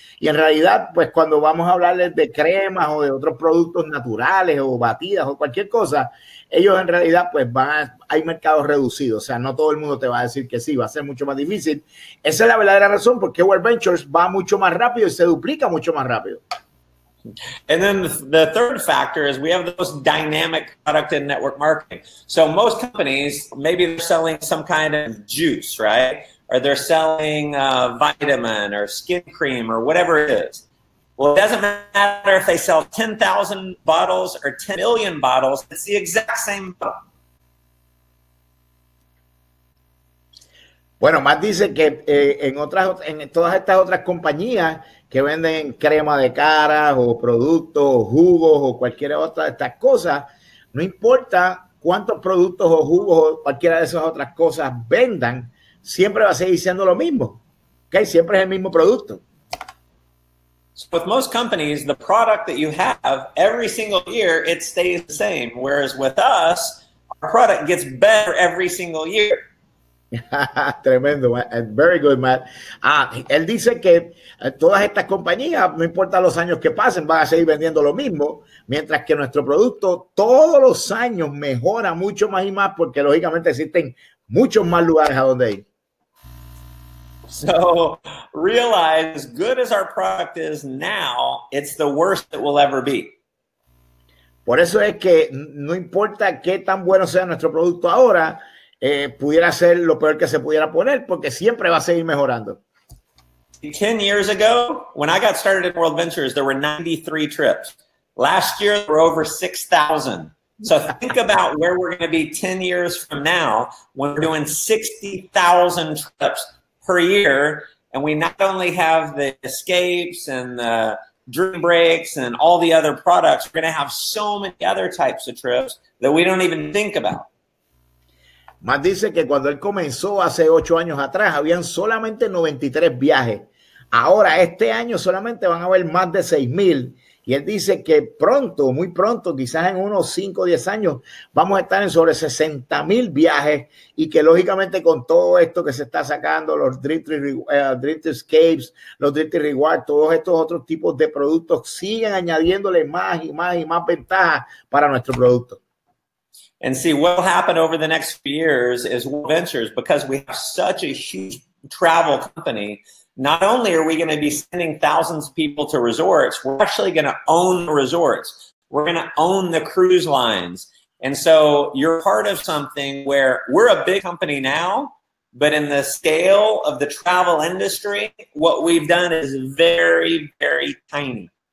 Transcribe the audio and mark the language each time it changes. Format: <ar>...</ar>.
<es>Y en realidad, pues cuando vamos a hablarles de cremas o de otros productos naturales o batidas o cualquier cosa, ellos en realidad pues hay mercados reducidos. O sea, no todo el mundo te va a decir que sí, va a ser mucho más difícil. Esa es la verdadera razón porque World Ventures va mucho más rápido y se duplica mucho más rápido.</es> <en>And then the third factor is we have the most dynamic product in network marketing. So most companies, maybe they're selling some kind of juice, right? Or they're selling vitamin or skin cream or whatever it is. Well, it doesn't matter if they sell 10,000 bottles or 10 million bottles. It's the exact same bottle.</en> <es>Bueno, Matt dice que en todas estas otras compañías que venden crema de cara o productos o jugos o cualquier otra de estas cosas, no importa cuántos productos o jugos o cualquiera de esas otras cosas vendan, siempre va a seguir siendo lo mismo. ¿Okay? Siempre es el mismo producto.</es> <en>So with most companies, the product that you have every single year, it stays the same. Whereas with us, our product gets better every single year.</en> <es>Tremendo,</es> <en>Matt. Very good, Matt.</en> <es>Él dice que todas estas compañías, no importa los años que pasen, van a seguir vendiendo lo mismo, mientras que nuestro producto todos los años mejora mucho más y más, porque lógicamente existen muchos más lugares a donde ir.</es> <en>So realize, as good as our product is now, it's the worst that will ever be.</en> <es>Por eso es que no importa qué tan bueno sea nuestro producto ahora, pudiera ser lo peor que se pudiera poner, porque siempre va a seguir mejorando.</es> <en>10 years ago, when I got started in World Ventures, there were 93 trips. Last year, there were over 6,000. So think about where we're going to be 10 years from now, when we're doing 60,000 trips per year, and we not only have the escapes and the dream breaks and all the other products, we're going to have so many other types of trips that we don't even think about.</en> <es>Matt dice que cuando él comenzó hace 8 años atrás, habían solamente 93 viajes. Ahora, este año, solamente van a haber más de 6,000. Y él dice que pronto, muy pronto, quizás en unos 5 o 10 años, vamos a estar en sobre 60,000 viajes. Y que, lógicamente, con todo esto que se está sacando, los Drift Escapes, los Drift Reward, todos estos otros tipos de productos, siguen añadiéndole más y más y más ventajas para nuestro producto.</es> <en>And see, what will happen over the next few years is World Ventures, because we have such a huge travel company, not only are we going to be sending thousands of people to resorts, we're actually going to own the resorts. We're going to own the cruise lines. And so you're part of something where we're a big company now, but in the scale of the travel industry, what we've done is very, very tiny.</en>